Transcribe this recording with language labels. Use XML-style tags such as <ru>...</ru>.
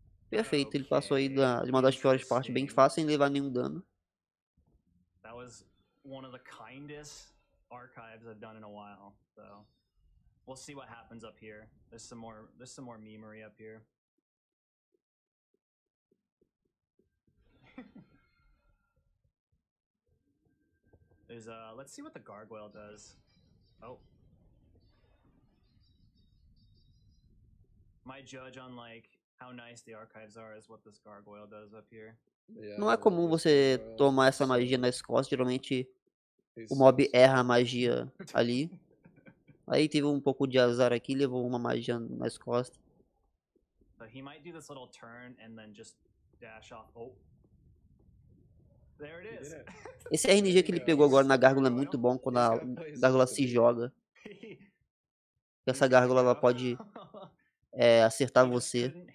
<pt>Perfeito, ele passou aí de uma das piores partes bem fácil, sem levar nenhum dano.</pt> <en>That was one of the kindest archives I've done in a while. So we'll see what happens up here. There's some more memory up here. Let's see what the gargoyle does. Oh. My judge on like how nice the archives are is what this gargoyle does up here.</en> <pt>Não é comum você tomar essa magia nas costas, geralmente o mob erra a magia ali. Aí teve um pouco de azar aqui, levou uma magia nas costas.</pt> <en>But he might do this little turn and then just dash off. Oh. There it is.</en> <pt>Esse RNG que ele pegou agora na gárgula é muito bom quando a gárgula se joga. Essa gárgula ela pode acertar você.</pt>